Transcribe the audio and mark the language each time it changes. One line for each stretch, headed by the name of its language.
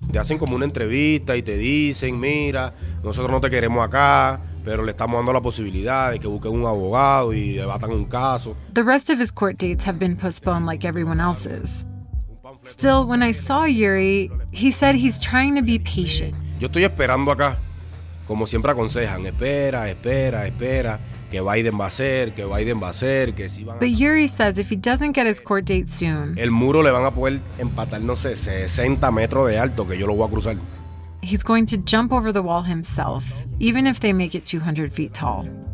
Spanish: Te hacen como una entrevista y te dicen, mira, nosotros no te queremos acá. Pero le estamos dando la posibilidad de que busquen un abogado y debatan un caso.
English: The rest of his court dates have been postponed like everyone else's. Still, when I saw Yuri, he said he's trying to be patient.
Spanish: Yo estoy esperando acá, como siempre aconsejan, espera, que Biden va a hacer, que Biden va a hacer, que si van a...
English: But Yuri says if he doesn't get his court date soon,
Spanish: el muro le van a poder empatar, no sé, 60 metros de alto que yo lo voy a cruzar.
English: He's going to jump over the wall himself, even if they make it 200 feet tall.